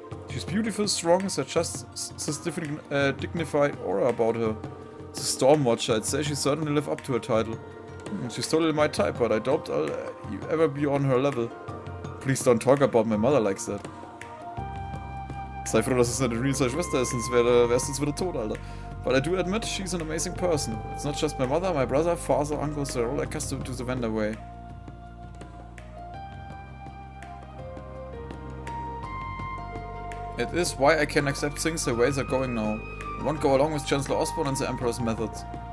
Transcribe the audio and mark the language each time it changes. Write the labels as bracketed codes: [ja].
[en] She's beautiful, strong, so just this dignified aura about her. The Stormwatcher, I'd say she certainly live up to her title. She's totally my type, but I doubt I'll ever be on her level. Please don't talk about my mother like that. [de] Sei froh, dass es nicht real seine Schwester ist, sonst wärst du jetzt wieder tot, Alter. [en] But I do admit, she's an amazing person. It's not just my mother, my brother, father, uncles, they're all accustomed to the Vander way. It is why I can accept things the way they're going now. I won't go along with Chancellor Osborn and the Emperor's methods.